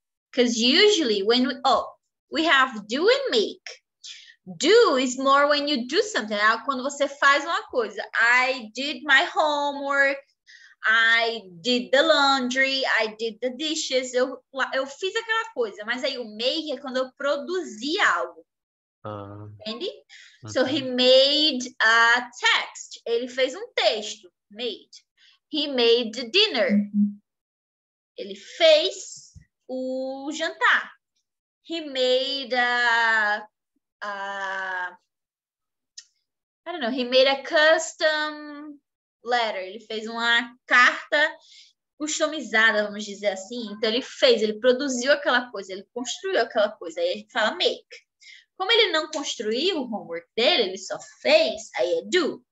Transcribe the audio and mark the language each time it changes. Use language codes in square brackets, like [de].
[en] Because usually when we have do and make. Do is more when you do something. [pt] Quando você faz uma coisa. [en] I did my homework. I did the laundry, I did the dishes. [pt] Eu fiz aquela coisa. Mas aí o make é quando eu produzi algo. Entende? [en] Uh-huh. So he made a text. [pt] Ele fez um texto. [en] Made. He made the dinner. Uh-huh. [pt] Ele fez o jantar. [en] He made a... I don't know. He made a custom... [pt] letter, ele fez uma carta customizada, vamos dizer assim. Então, ele fez, ele produziu aquela coisa, ele construiu aquela coisa. Aí, a gente fala make. Como ele não construiu o homework dele, ele só fez, aí é do.